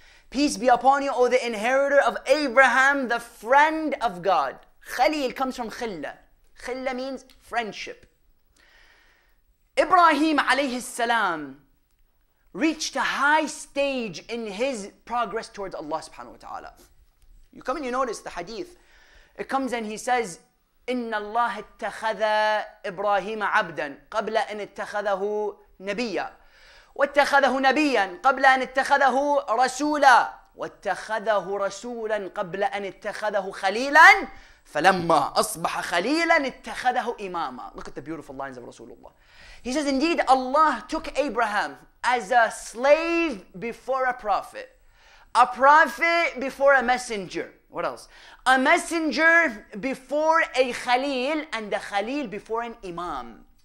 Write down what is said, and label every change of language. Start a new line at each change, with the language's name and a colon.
English: Peace be upon you, O the inheritor of Abraham, the friend of God. Khalil comes from Khilla. Khilla means friendship. Ibrahim alayhi salam reached a high stage in his progress towards Allah subhanahu wa ta'ala. You come and you notice the hadith. It comes and he says,
Arabic: إِنَّ اللَّهَ اتَّخَذَ إِبْرَاهِيمَ عَبْدًا قَبْلَ أَنْ اتَّخَذَهُ نَبِيًّا وَاتَّخَذَهُ نَبِيًّا قَبْلَ أَنْ اتَّخَذَهُ رَسُولًا وَاتَّخَذَهُ رَسُولًا قَبْلَ أَنْ اتَّخَذَهُ خَلِيلًا فَلَمَّا أَصْبَحَ خَلِيلًا اتَّخَذَهُ إِمَامًا.
English: Look at the beautiful lines of Rasulullah. He says, indeed, Allah took Abraham as a slave before a prophet, a prophet before a messenger. What else? A messenger before a Khalil and a Khalil before an Imam.